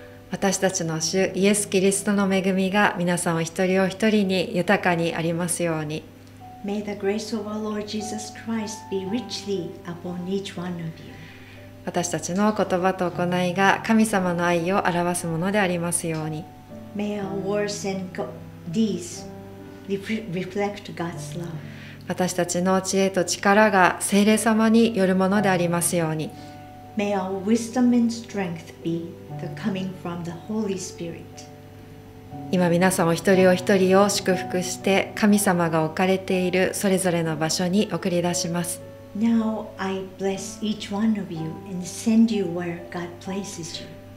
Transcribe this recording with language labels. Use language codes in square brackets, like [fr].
[ja] 私たちの主イエス・キリストの恵みが皆さんお一人お一人に豊かにありますように。 [en] May the grace of our Lord Jesus Christ be richly upon each one of you. [ja] 私たちの言葉と行いが神様の愛を表すものでありますように。 [en] May our words and deeds reflect God's love. [ja] 私たちの知恵と力が聖霊様によるものでありますように。 [en] May our wisdom and strength be the coming from the Holy Spirit. [ja] 今皆様一人お一人を祝福して、神様が置かれているそれぞれの場所に送り出します。 [en] Now I bless each one of you and send you where God places you.